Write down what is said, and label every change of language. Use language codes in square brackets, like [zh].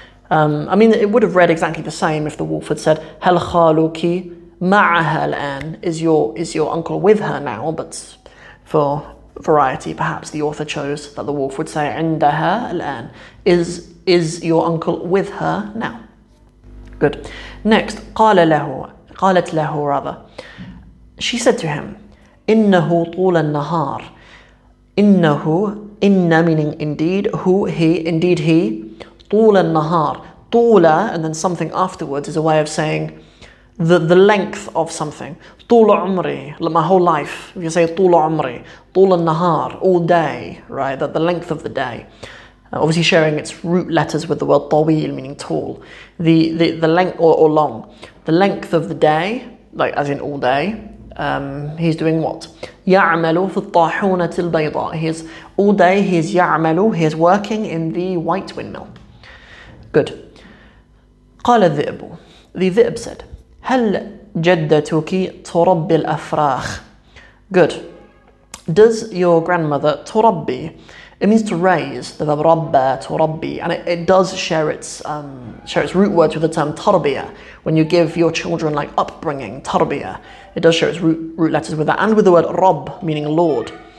[en] I mean, it would have read exactly the same if the wolf had said [ar] هل خالك معها الآن? [en] Is your uncle with her now? But for variety, perhaps the author chose, that the wolf would say, [ar] عندها الآن. [en] Is your uncle with her now? Good. Next, [ar] قال له, قالت له [en] rather. She said to him, [ar] إنه طول النهار. [en] إنه, إن meaning indeed, who, he, indeed he, طول النهار. طول and then something afterwards is a way of saying the length of something. [ar] طول عمري, [en] my whole life. If you say طول عمري, طول النهار, all day, right? The length of the day. Obviously sharing its root letters with the word طويل, meaning tall. The length or long. The length of the day, like as in all day, he's doing what? [ar] يعمل في الطاحونة البيضاء. [en] He's all day, he's يعمل, he's working in the white windmill. [ar] Good. قال الذئب. [en] The ذئب said, [ar] هل جدتك تربي الأفراخ? [en] Good. Does your grandmother تربي? It means to raise, the verb ربى, تربي, and it does share its root words with the term تربية, when you give your children like upbringing, تربية. It does share its root letters with that, and with the word رب, meaning Lord.